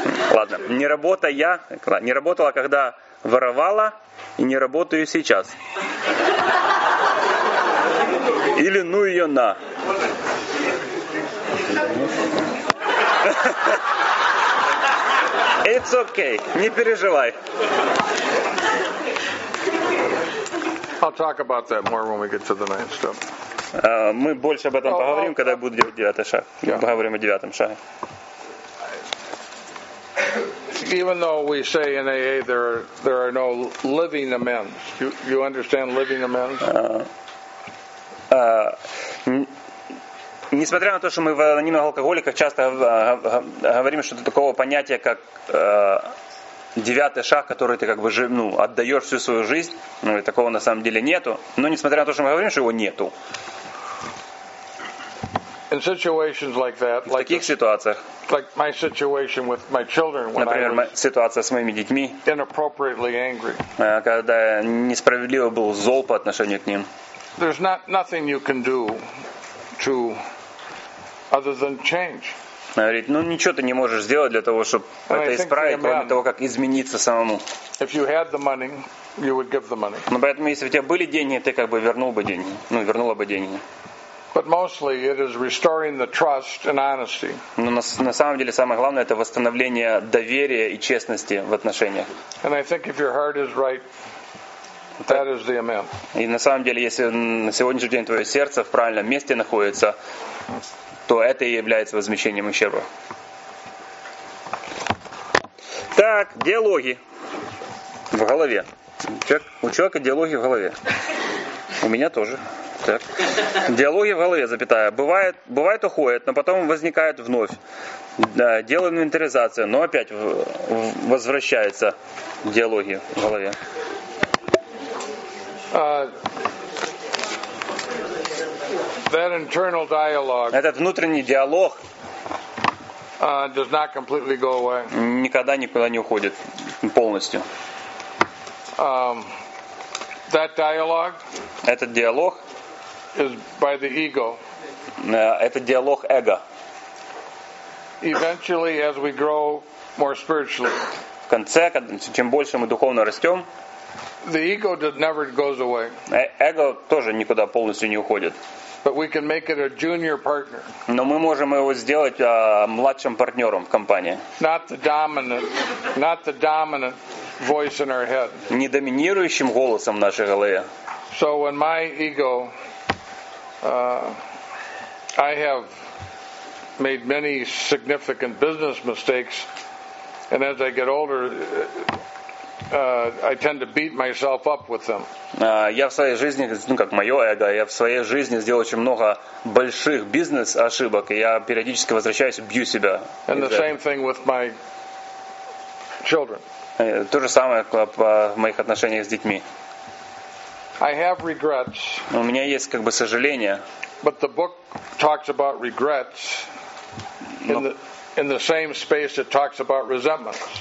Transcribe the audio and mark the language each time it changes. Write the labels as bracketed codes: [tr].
[ru] Ладно, не работала, когда воровала, и не работаю сейчас. Или ну ее на. [en] It's okay, [ru] не переживай. [en] I'll talk about that more when we get to the ninth step. [ru] Мы больше об этом поговорим, когда будет делать девятый шаг. [en] Yeah. [ru] Поговорим о девятом шаге. [en] Even though we say in AA there are no living amends. You understand living amends? [ru] Несмотря на то, что мы в анонимных алкоголиках часто говорим, что это такого понятия, как девятый шаг, который ты как бы отдаешь всю свою жизнь, ну, и такого на самом деле нету. Но несмотря на то, что мы говорим, что его нету. [en] In situations like that, [ru] в таких ситуациях, [en] like my situation with my children, when [ru] например, ситуация с моими детьми, [en] inappropriately angry. [ru] Когда я несправедливо был зол по отношению к ним. [en] There's nothing you can do to other than change. [ru] Говорит, ну ничего ты не можешь сделать для того, чтобы это исправить, кроме того, как измениться самому. [en] If you had the money, you would give the money. [ru] Ну поэтому, если у тебя были деньги, ты как бы вернул бы деньги. Ну, вернула бы деньги. [en] But mostly it is restoring the trust and honesty. [ru] Но на самом деле самое главное это восстановление доверия и честности в отношениях. [en] And I think if your heart is right, that is the amen. [ru] И на самом деле, если на сегодняшний день твое сердце в правильном месте находится, то это и является возмещением ущерба. Так, диалоги в голове. У человека диалоги в голове. У меня тоже. Так. Диалоги в голове, запятая. Бывает уходят, но потом возникают вновь. Да, делаю инвентаризацию, но опять возвращаются диалоги в голове. [en] That internal dialogue. [ru] Этот внутренний диалог. [en] Does not completely go away. [ru] Никогда никуда не уходит полностью. [en] That dialogue. [ru] Этот диалог. [en] Is by the ego. [ru] Этот диалог эго. [en] Eventually, as we grow more spiritually. [ru] В конце, чем больше мы духовно растем. [en] The ego never goes away. [ru] Эго тоже никуда полностью не уходит. [en] But we can make it a junior partner. [ru] Но мы можем его сделать младшим партнером в компании. [en] Not the dominant voice in our head. [ru] Не доминирующим голосом в нашей голове. [en] So when my ego, I have made many significant business mistakes, and as I get older. I tend to beat myself up with them. [ru] Я в своей жизни, ну как мое эго, я в своей жизни сделал очень много больших бизнес ошибок, и я периодически возвращаюсь, бью себя. [en] And the same thing with my children. [ru] То же самое в моих отношениях с детьми. [en] I have regrets. [ru] У меня есть как бы сожаления. [en] But the book talks about regrets in the same space it talks about resentment.